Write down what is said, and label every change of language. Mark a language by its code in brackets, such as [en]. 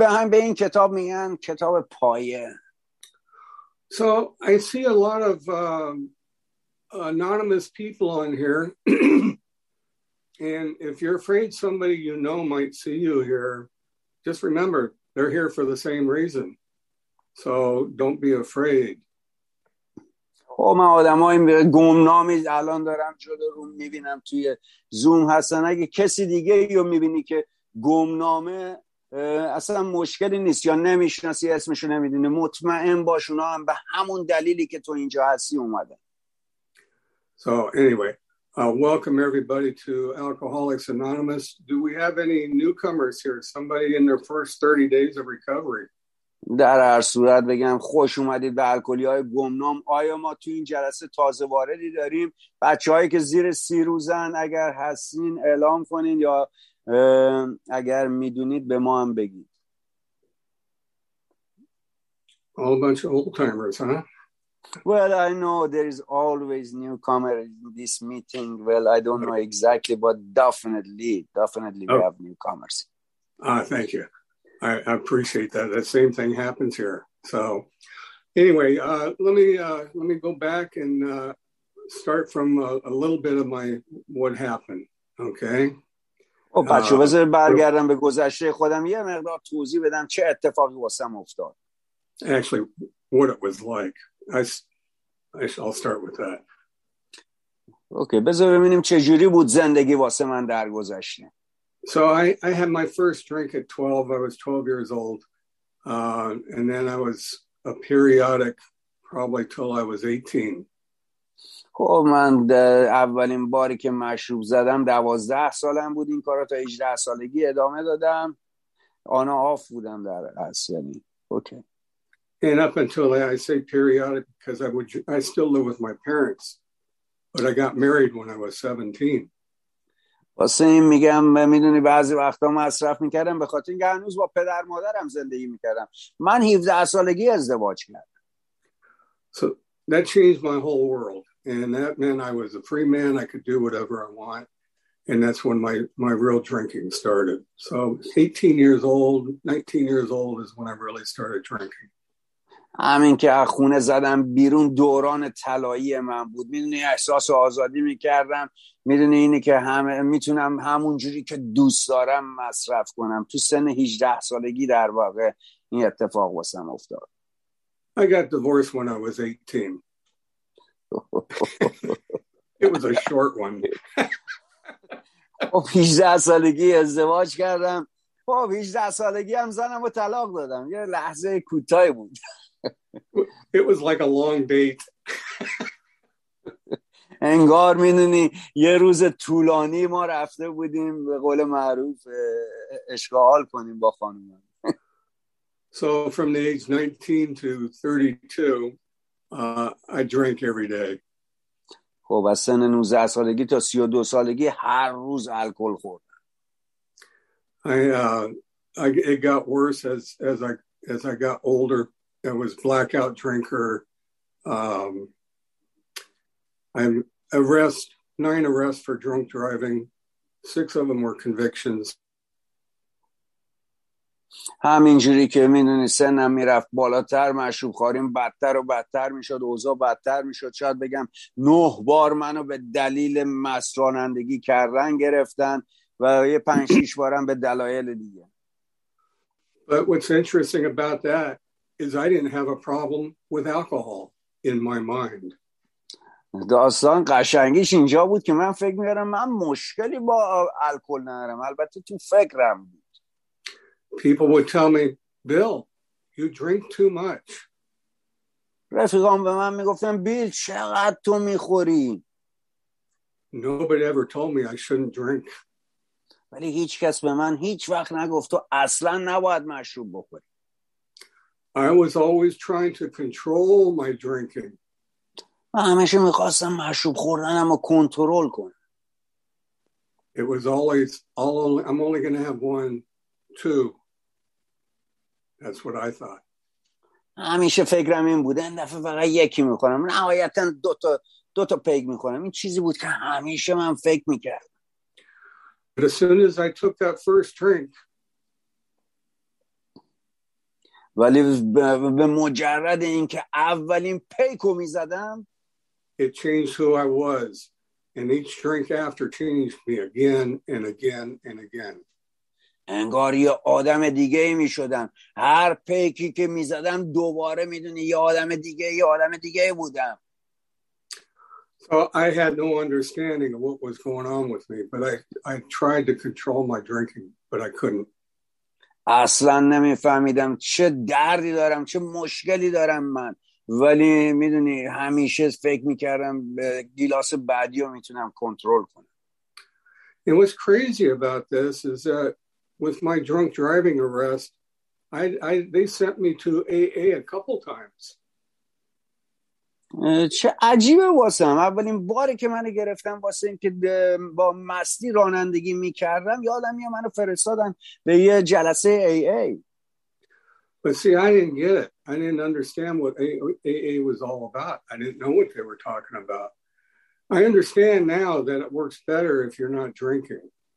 [fa] به این کتاب میگن کتاب پایه. [en] So I see a lot of anonymous people on here and if you're afraid somebody you know might see you here, just remember they're here for the same reason, so don't be afraid. [fa] خب من آدم های گمنامی الان دارم جلو رو میبینم توی زوم هستن، اگه کسی دیگه یا میبینی که گمنامه اصلا مشکلی نیست یا نمیشناسی اسمشو نمیدونی، مطمئن باش اونا هم به همون دلیلی که تو اینجا هستی اومده. [en] So anyway, welcome everybody to Alcoholics Anonymous. Do we have any newcomers here? Somebody in their first 30 days of recovery? [fa] در هر صورت بگم خوش اومدید به الکلی‌های گمنام. آیا ما تو این جلسه تازه واردی داریم؟ بچه‌هایی که زیر 30 روزن اگر هستین اعلام کنین یا اگر میدونید به ما هم بگید. [en] All a bunch of old timers, huh? Well, I know there is always newcomer in this meeting. Well, I don't know exactly, but definitely we have newcomers. Thank you. I appreciate that. The same thing happens here. So anyway, let me go back and start from a little bit of my what happened, okay? [fa] بچه بذار برگردم به گذشته خودم یه مقدار توضیح بدم چه اتفاقی واسم افتاد. [en] Actually, what it was like. I'll start with that. [fa] Okay, بذار ببینیم چه جوری بود زندگی واسه من در گذشته. [en] So I had my first drink at 12. I was 12 years old. And then I was a periodic probably till I was 18. [fa] خب من اولین باری که مشروب زدم 12 سالم بود، این کارو تا 18 سالگی ادامه دادم. [en] on off [fa] بودم در اصل، یعنی اوکی. [en] And up until I say periodic because I still live with my parents, but I got married when I was 17. [fa] واسه این میگم میدونی بعضی وقتا مصرف میکردم به خاطر اینکه هنوز با پدر مادرم زندگی میکردم. من 17 سالگی ازدواج کردم. [en] So that changed my whole world, and that meant I was a free man. I could do whatever I want, and that's when my real drinking started. So 18 years old, 19 years old is when I really started drinking. [fa] همین که از خونه زدم بیرون دوران طلایی من بود. میدونی احساس آزادی میکردم، میدونی اینی که میتونم همون جوری که دوست دارم مصرف کنم. تو سن 18 سالگی در واقع این اتفاق واسم افتاد. [en] I got divorced when I was 18. It was a short one. [fa] 18 سالگی ازدواج کردم. 18 سالگی هم زنم رو طلاق دادم. یه لحظه کوتاهی بود. [en] It was like a long date. [fa] انگار میدونی یه روز طولانی ما رفته بودیم به قول معروف اشغال کنیم با خانم. [en] So from the age 19 to 32, I drank every day. [fa] خب از سن 19 سالگی تا 32 سالگی هر روز الکل خوردم. [en] I it got worse as I got older. that was blackout drinker. Nine arrests for drunk driving. Six of them were convictions. [fa] همینجوری که میدونی سنم میرفت بالاتر، مشروبخوریم بدتر و بدتر میشد، اوضاع بدتر میشد. شاید بگم 9 بار منو به دلیل مسترانندگی کردن گرفتن و یه 5-6 بارم به دلایل دیگه. [en] But what's interesting about that is I didn't have a problem with alcohol in my mind. [fa] داستان قشنگیش اینجا بود که من فکر میکردم من مشکلی با الکل ندارم، البته تو فکرم بود. [en] People would tell me, Bill, you drink too much. [fa] رفیقان به من میگفتن بیل چقدر تو میخوری. [en] Nobody ever told me I shouldn't drink. [fa] ولی هیچ کس به من هیچ وقت نگفت تو اصلا نباید مشروب بخوری. [en] I was always trying to control my drinking. [fa] من همیشه میخواستم مشروب خوردنم رو کنترل کنم. [en] It was always I'm only going to have one. Two. That's what I thought. [fa] همیشه فکرم این بوده این دفعه فقط یکی میکنم، نهایتا دوتا پیک میکنم. این چیزی بود که همیشه من فکر میکردم. [en] But as soon as I took that first drink, [fa] ولی به مجرد اینکه اولین پیکو میزدم، [en] it changed who I was, and each drink after changed me again and again and again. [fa] انگار یه آدم دیگه ای می شدم. هر پیکی که می زدم دوباره می دونی یه آدم دیگه ای بودم. [en] So I had no understanding of what was going on with me, but I tried to control my drinking, but I couldn't. [fa] اصلا نمی فهمیدم چه دردی دارم، چه مشکلی دارم من، ولی می دونی همیشه فکر می کردم به گیلاس بعدی رو می تونم کنترل کنم. [en] And what's crazy about this is that with my drunk driving arrest, they sent me to AA a couple times. [fa] چه عجیبه واسم. اولین باری که منو گرفتن واسه اینکه با مستی رانندگی میکردم، یادم میاد منو فرستادن به یه جلسه AA. [en] But see, I didn't get it. I didn't understand what AA was all about. I didn't know what they were talking about. I understand now that it works better if you're not drinking.